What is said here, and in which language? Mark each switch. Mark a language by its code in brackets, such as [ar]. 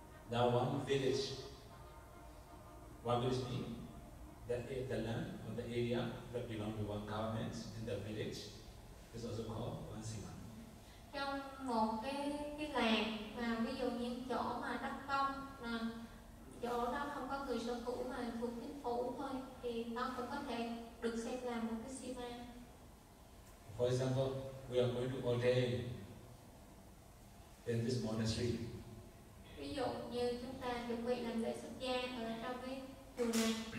[en] Now one village means that is the land or the area that belongs to one government in the village is also called one Sima. [vi] Trong một cái làng, ví dụ như chỗ mà đất công, chỗ đó không có người sở hữu mà thuộc chính phủ thôi, thì nó cũng có thể được xem là một cái Sima. [en] For example, we are going to ordain in this monastery. [vi] Ví dụ như chúng ta chuẩn bị làm lễ xuất gia ở trong cái chùa này.